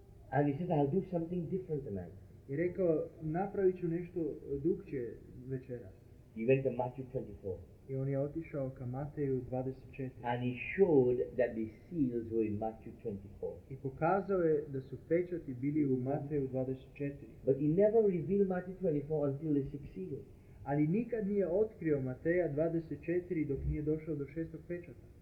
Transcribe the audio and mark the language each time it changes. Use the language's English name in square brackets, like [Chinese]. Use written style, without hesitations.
[English] And he said, I'll do something different tonight. [Croatian] I rekao, napravit ću nešto drugačije večeras. [English] He went to Matthew 24. [Croatian] I on je otišao ka Mateju 24. [English] And he showed that the seals were in Matthew 24. [Croatian] I pokazao je da su pečati bili u Mateju 24. [English] But he never revealed Matthew 24 until the sixth seal. [Croatian] Ali nikad nije otkrio Mateja 24 dok nije došao do šestog pečata.